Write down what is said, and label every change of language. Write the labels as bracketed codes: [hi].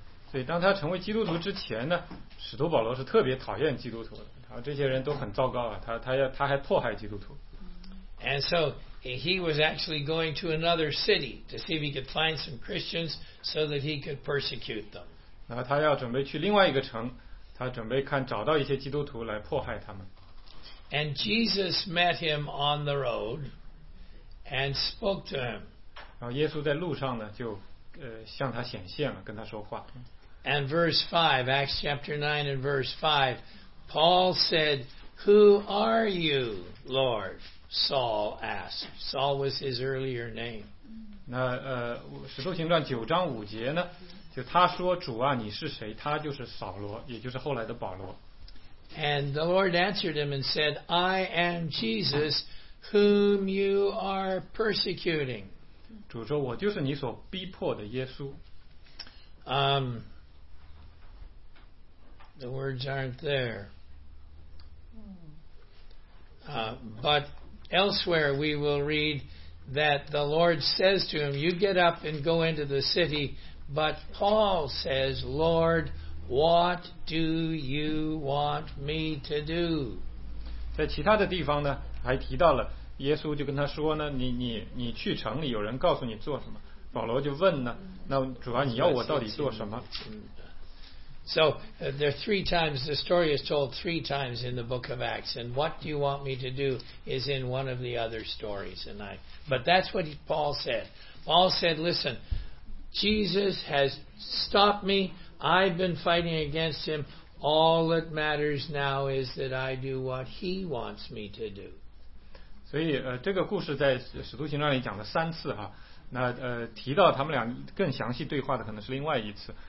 [zh] 所以当他成为基督徒之前呢，使徒保罗是特别讨厌基督徒的，然后这些人都很糟糕啊，他还迫害基督徒。 [en] And so he was actually going to another city to see if he could find some Christians so that he could persecute them. [zh] 然后他要准备去另外一个城，他准备看找到一些基督徒来迫害他们。 [en] And Jesus met him on the road and spoke to him. [zh] 然后耶稣在路上呢，就向他显现了，跟他说话。 [en] And verse 5, Acts chapter 9 and verse 5, Paul said, Who are you, Lord? Saul asked. Saul was his earlier name. [zh] 那使徒行传九章五节呢？就他说主啊你是谁他就是扫罗也就是后来的保罗 [en] And the Lord answered him and said I am Jesus whom you are persecuting [zh] 主说我就是你所逼迫的耶稣 [en] The words aren't there But elsewhere we will read that the Lord says to him you get up and go into the cityBut Paul says, Lord, what do you want me to do? [zh] 在其他的地方呢，还提到了耶稣就跟他说呢，你去城里，有人告诉你做什么。保罗就问呢，那主啊，你要我到底做什么？ [en] So, there are three times, the story is told three times in the book of Acts, and what do you want me to do is in one of the other stories. But that's what Paul said. Paul said, listen,Jesus has stopped me. I've been fighting against him. All that matters now is that I do what he wants me to do. [zh] 所以这个故事在使徒行传里讲了三次哈。那提到他们俩更详细对话的可能是另外一次。